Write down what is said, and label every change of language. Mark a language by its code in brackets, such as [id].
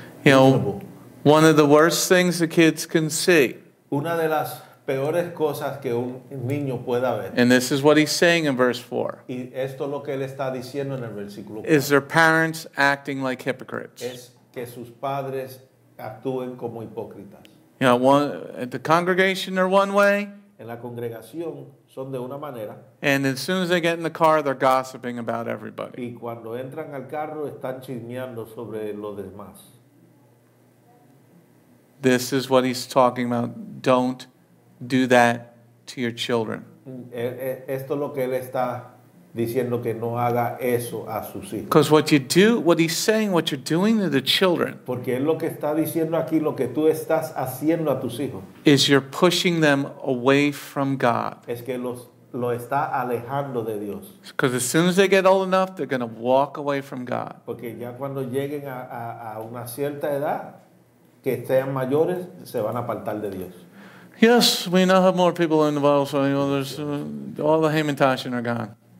[en] You know, one of the worst things the kids can see. [es] Una de las peores cosas que un niño pueda ver. [en] And this is what he's saying in verse 4. [es] Y esto es lo que él está diciendo en el versículo [en] 4. Is their parents acting like hypocrites? [es] Es que sus padres actúen como hipócritas. [en] You know, at the congregation they're one way. [es] En la congregación son de una manera. [en] And as soon as they get in the car, they're gossiping about everybody. [es] Y cuando entran al carro, están chismeando sobre los demás. [en] This is what he's talking about. Don't do that to your children. [es] Esto es lo que él está diciendo, que no haga eso a sus hijos. [en] Because what you do, what he's saying, what you're doing to the children. [es] Porque es lo que está diciendo aquí, lo que tú estás haciendo a tus hijos. [en] Is you're pushing them away from God. [es] Es que lo está alejando de Dios. [en] Because as soon as they get old enough, they're going to walk away from God. [es] Porque ya cuando lleguen a una cierta edad, que sean mayores, se van a apartar de Dios. [en] Yes, we now have more people in the Bible, so you know, there's all the Hamantashen are gone.